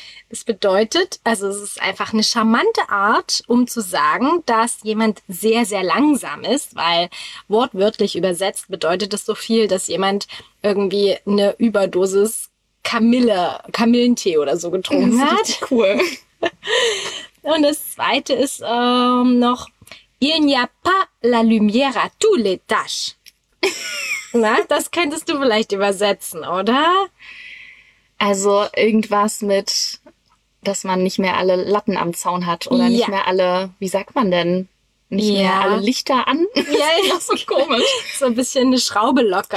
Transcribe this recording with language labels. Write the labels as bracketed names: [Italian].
[German] Das bedeutet, also es ist einfach eine charmante Art, um zu sagen, dass jemand sehr, sehr langsam ist, weil wortwörtlich übersetzt bedeutet das so viel, dass jemand irgendwie eine Überdosis Kamillentee oder so getrunken hat. Cool. [French] Und das zweite ist noch, il n'y a pas la lumière à tous les tâches. [German] Na, das könntest du vielleicht übersetzen, oder? Also irgendwas mit, dass man nicht mehr alle Latten am Zaun hat oder nicht mehr alle, wie sagt man denn? Nicht mehr alle Lichter an. Ja, das ist so komisch. So ein bisschen eine Schraube locker.